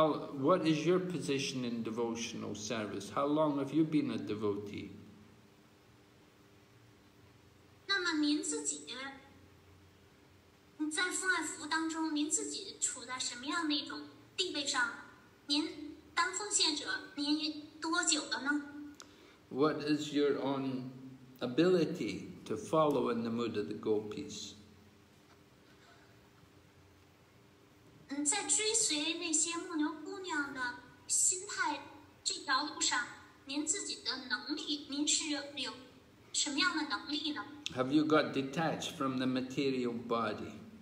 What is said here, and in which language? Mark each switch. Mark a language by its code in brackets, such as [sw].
[en] what is your position in devotional service? How long have you been a devotee? [zh] 那么您自己在奉爱服务当中，您自己处在什么样的一种？地位上，您当奉献者，您多久了呢？ [en] What is your own ability to follow in the mood of the gopis? [zh] 在追随那些牧牛姑娘的心态这条路上，您自己的能力，您是有什么样的能力呢？ [en] Have you got detached from the material body?